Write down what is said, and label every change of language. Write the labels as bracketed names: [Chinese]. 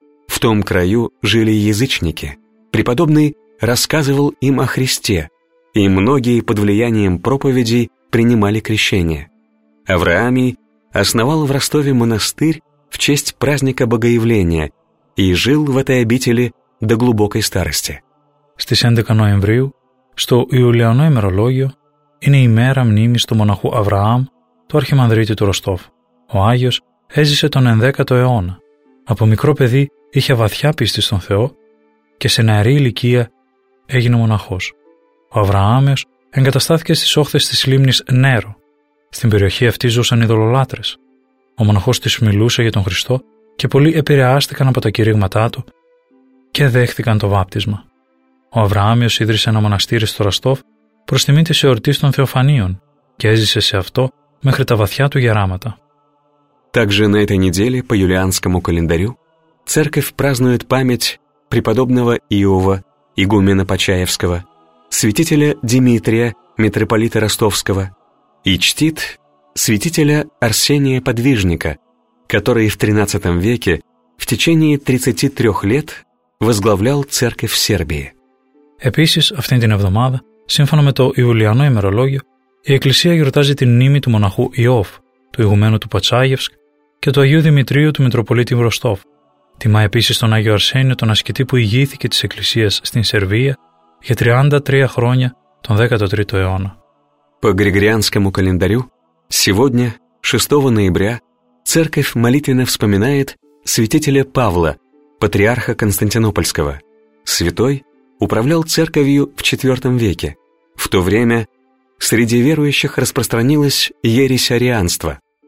[Russian] В том краю жили язычники. Преподобный рассказывал им о Христе, и многие под влиянием проповедей принимали крещение. Авраамий основал в Ростове монастырь в честь праздника Богоявления и жил в этой обители до глубокой старости. [Greek] Στις 11 [Russian] ноября, [Greek] στο Ιουλιανό ημερολόγιο, είναι η μέρα μνήμης του μοναχού Αβραάμ, του αρχιμανδρίτη του Ροστόφ. Ο Άγιος έζησε τον 10ο αιώνα. Από μικρό παιδί είχε βαθιά πίστη στον Θεό και σε νεαρή ηλικία έγινε μοναχός. Ο Αβραάμιος εγκαταστάθηκε στις όχθες της λίμνης Νέρο. Στην περιοχή αυτή ζούσαν ειδωλολάτρες. Ο μοναχός της μιλούσε για τον Χριστό και πολλοί επηρεάστηκαν από τα κηρύγματά του και δέχθηκαν το βάπτισμα. Ο Αβραάμιος ίδρυσε ένα μοναστήρι στο Ροστόφ προς τιμή της εορτής των Θεοφανίων και έζησε σε αυτό μέχρι τα βαθιά του γεράματα. [Russian] Также на этой неделе по юлианскому календарю церковь празднует память преподобного Иова, игумена Почаевского, святителя Димитрия, митрополита Ростовского, и чтит святителя Арсения Подвижника, который в XIII веке в течение 33 лет возглавлял церковь в Сербии. [Greek] Επίσης, αυτήν την εβδομάδα, σύμφωνα με το Ιουλιανό ημερολόγιο, η Εκκλησία γιορτάζει την μνήμη του μοναχού Ιώβ, του ηγουμένου του Πατσάγευσκ, και του Αγίου Δημητρίου του Μητροπολίτη Ροστόφ. Τιμά επίσης τον Άγιο Αρσένιο, τον ασκητή που ηγήθηκε της Εκκλησίας στην Σερβία για 33 χρόνια τον 13ο αιώνα. [Russian] По Григорианскому календарю сегодня, 6 ноября, церковь молитвенно вспоминает святителя Павла, патриарха Константинопольского. Святой управлял церковью в IV веке. В то время среди верующих распространилась ересь арианства.